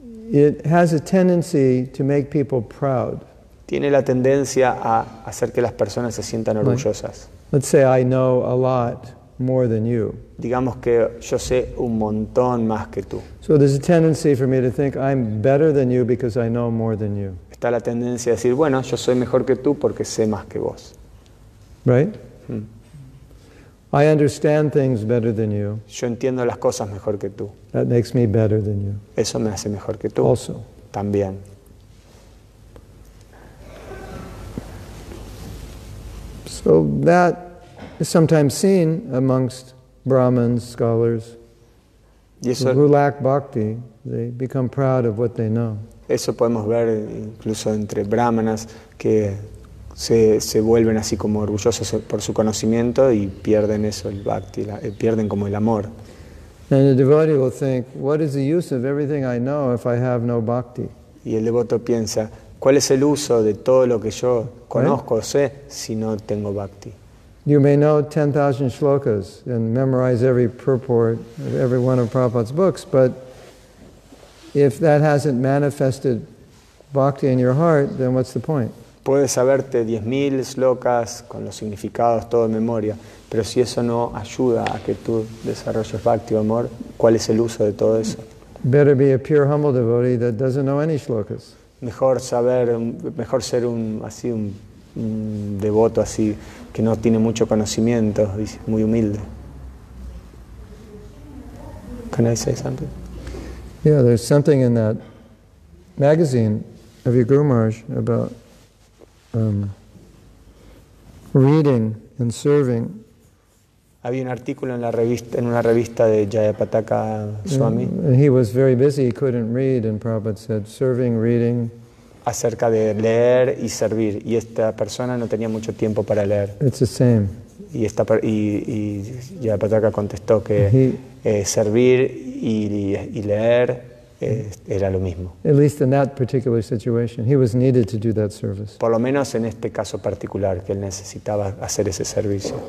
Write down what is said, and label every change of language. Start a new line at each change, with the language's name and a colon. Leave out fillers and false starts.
English: It has a tendency to make people proud.
Spanish: Tiene la tendencia a hacer que las personas se sientan orgullosas.
English: Let's say I know a lot more than you.
Spanish: Digamos que yo sé un montón más que tú.
English: So there's a tendency for me to think I'm better than you because I know more than you.
Spanish: Está la tendencia a decir, bueno, yo soy mejor que tú porque sé más que vos.
English: Right? I understand things better than you.
Spanish: Yo entiendo las cosas mejor que tú.
English: That makes me better than you.
Spanish: Eso me hace mejor que tú.
English: Also.
Spanish: También.
English: So that is sometimes seen amongst Brahmins, scholars, who lack bhakti. They become proud of what they know.
Spanish: Eso podemos ver incluso entre brahmanas que se vuelven así como orgullosos por su conocimiento y pierden eso, el bhakti, pierden como el amor.
English: And the devotee will think, "What is the use of everything I know if I have no bhakti?"
Spanish: Y el devoto piensa, ¿cuál es el uso de todo lo que yo conozco, right? Sé si no tengo bhakti?
English: You may know 10,000 shlokas and memorize every purport of every one of Prabhupada's books, but if that hasn't manifested bhakti in your heart, then what's the point?
Spanish: Puedes saberte 10.000 slokas con los significados todo en memoria, pero si eso no ayuda a que tú desarrolles bhakti o amor, ¿cuál es el uso de todo eso?
English: Better be a pure humble devotee that doesn't know any slokas.
Spanish: Mejor ser un devoto así que no tiene mucho conocimiento, muy humilde.
English: Can I say something? Yeah, there's something in that magazine of your Guru Maharaj about reading and serving.
Spanish: Había un artículo en una revista de Jayapataka Swami.
English: And he was very busy, he couldn't read, and Prabhupada said, serving, reading.
Spanish: Acerca de leer y servir. Y esta persona no tenía mucho tiempo para leer.
English: It's the same.
Spanish: Y Jayapataka contestó que servir y leer era lo mismo.
English: At least in that particular situation, he was needed to do that service.
Spanish: Por lo menos en este caso particular, que él necesitaba hacer ese servicio.